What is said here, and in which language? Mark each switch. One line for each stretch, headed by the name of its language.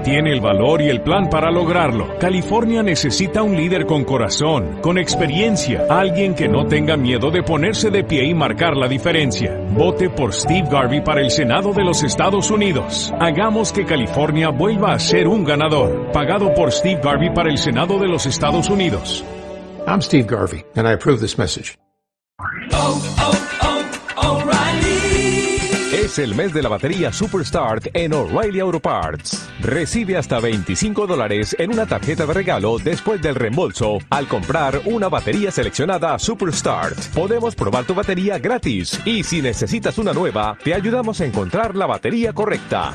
Spanish: Tiene el valor y el plan para lograrlo. California necesita un líder con corazón, con experiencia, alguien que no tenga miedo de ponerse de pie y marcar la diferencia. Vote por Steve Garvey para el Senado de los Estados Unidos. Hagamos que California vuelva a ser un ganador. Pagado por Steve Garvey para el Senado de los Estados Unidos.
English: I'm Steve Garvey, and I approve this message. Oh, oh, oh, O'Reilly.
Spanish: Es el mes de la batería Superstart en O'Reilly Auto Parts. Recibe hasta $25 en una tarjeta de regalo después del reembolso al comprar una batería seleccionada Superstart. Podemos probar tu batería gratis y si necesitas una nueva, te ayudamos a encontrar la batería correcta.